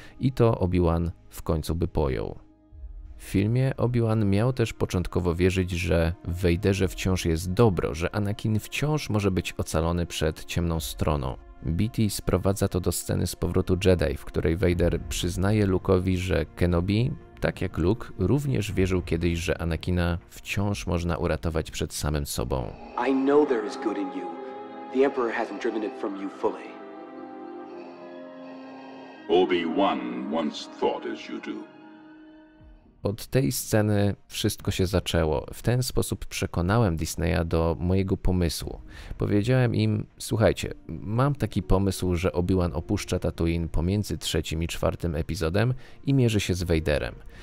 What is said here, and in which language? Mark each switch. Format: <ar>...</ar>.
<pl>I to Obi-Wan w końcu by pojął. W filmie Obi-Wan miał też początkowo wierzyć, że w Vaderze wciąż jest dobro, że Anakin wciąż może być ocalony przed ciemną stroną. Beatty sprowadza to do sceny z powrotu Jedi, w której Vader przyznaje Luke'owi, że Kenobi, tak jak Luke, również wierzył kiedyś, że Anakina wciąż można uratować przed samym sobą.</pl> <en>I know there is good in you. The Emperor hasn't driven it from you fully. Obi-Wan once thought as you do.</en> <pl>Od tej sceny wszystko się zaczęło. W ten sposób przekonałem Disneya do mojego pomysłu. Powiedziałem im, słuchajcie, mam taki pomysł, że Obi-Wan opuszcza Tatooine pomiędzy trzecim i czwartym epizodem i mierzy się z Vaderem.</pl>